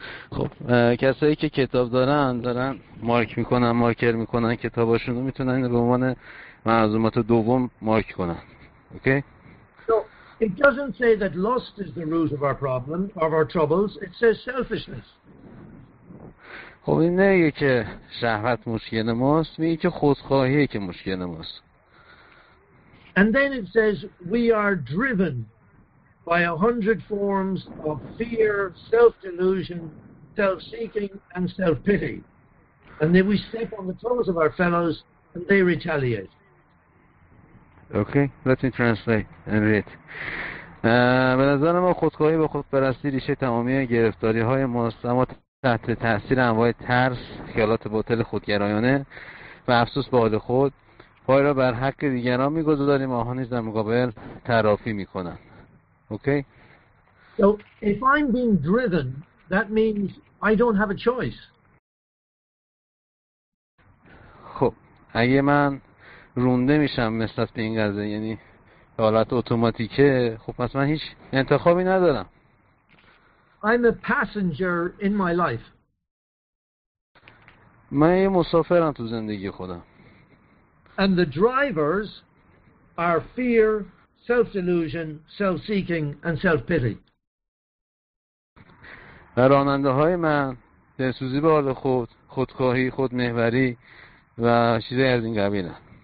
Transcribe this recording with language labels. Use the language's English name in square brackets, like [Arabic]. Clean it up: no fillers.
[Persian] خب کسایی که کتاب دارن مارکر میکنن کتاباشون رو میتونن به عنوان معلومات دوم مارک کنن. [English] Okay? So it doesn't say that lust is the root of our problem, of our troubles. It says selfishness. [Persian] خب این نگه که شهوت مشکل ماست، میگه که خودخواهیه که مشکل ماست. [English] And then it says we are driven by 100 forms of fear, self-delusion, self-seeking and self-pity. And then we step on the toes of our fellows and they retaliate. Okay, let me translate and read. [Persian] به نظر ما خودخواهی و خودپرستی ریشه تمامی گرفتاری های ماست، اما تحت تأثیر انواع ترس، خیالات باطل خودگرایانه و افسوس به حال خود پای را بر حق دیگران می‌گذاریم، آنها نیز در مقابل ترافی می‌کنند. [English] Okay. So if I'm being driven, that means I don't have a choice. [Persian] خب اگه من رونده میشم نسبت به این قضیه، یعنی حالت اتوماتیکه، خب پس من هیچ انتخابی ندارم. [English] I'm a passenger in my life. [Persian] من یه مسافرم تو زندگی خودم. [English] And the drivers are fear, self-delusion, self-seeking and self-pity. [Persian] راننده های من دلسوزی به حال خود، خودخواهی، خودمحوری و چیزهای از این قبیل هست.